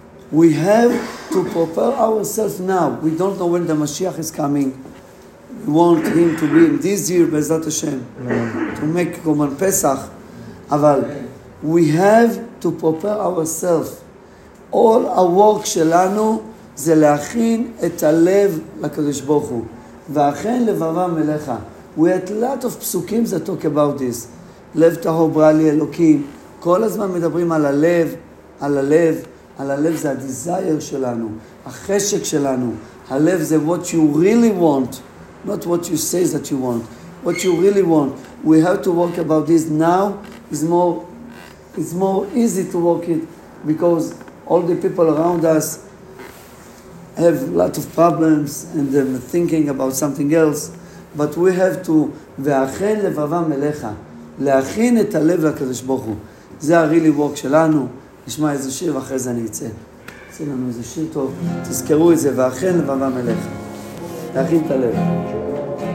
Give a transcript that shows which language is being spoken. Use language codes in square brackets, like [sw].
[en] We have to prepare ourselves now. We don't know when the Mashiach is coming. We want him to be in this year, Be'ezat Hashem, to make Korban Pesach. [he] אבל [en] we have to prepare ourselves. All our work [he] שלנו זה להכין את הלב לקדוש ברוך הוא. ואכן לבבם אליך. [en] We had a lot of פסוקים that talk about this. [he] לב טהור ברא לי אלוקים. כל הזמן מדברים על הלב, על הלב. על הלב זה הדיזייר שלנו, החשק שלנו. הלב זה [en] what you really want. Not what you say that you want, what you really want. We have to work about this now. It's more easy to work it because all the people around us have a lot of problems and they're thinking about something else. But we have to [he] ואכן לבבם אליך, להכין את הלב לקדוש ברוך הוא. זה ה-really work שלנו, נשמע איזה שיר ואחרי זה אני אצא. עושה לנו איזה שיר טוב, תזכרו את זה, ואכן לבבם אליך. להכין את הלב.